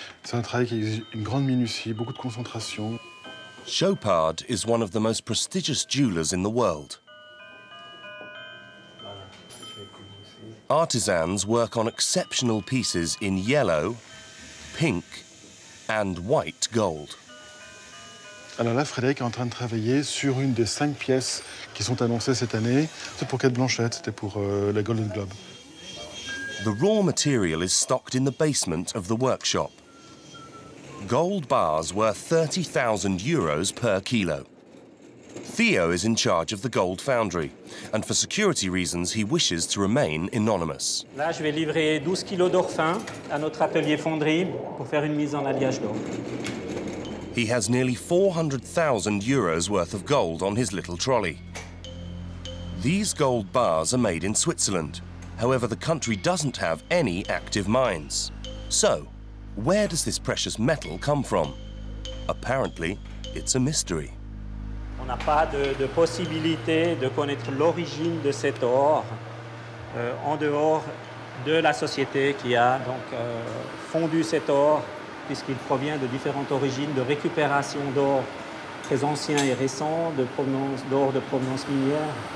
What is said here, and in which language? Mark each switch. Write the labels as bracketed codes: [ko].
[fr] C'est un travail qui exige une grande minutie, beaucoup de concentration. [en] Chopard is one of the most prestigious jewelers in the world. Artisans work on exceptional pieces in yellow, pink, and white gold. [fr] Alors là, Frédéric est en train de travailler sur une des cinq pièces qui sont annoncées cette année. C'est pour Kate Blanchett, c'était pour la Golden Globe. [en] The raw material is stocked in the basement of the workshop. Gold bars worth 30,000 euros per kilo. Theo is in charge of the gold foundry, and for security reasons, he wishes to remain anonymous. [fr] Là, je vais livrer 12 kilos d'or fin à notre atelier fonderie pour faire une mise en alliage d'or. [en] He has nearly 400,000 euros worth of gold on his little trolley. These gold bars are made in Switzerland. However, the country doesn't have any active mines. So, where does this precious metal come from? Apparently, it's a mystery. [fr] On n'a pas de possibilité de connaître l'origine de cet or en dehors de la société qui a donc fondu cet or, puisqu'il provient de différentes origines de récupération d'or très ancien et récent, d'or de provenance minière.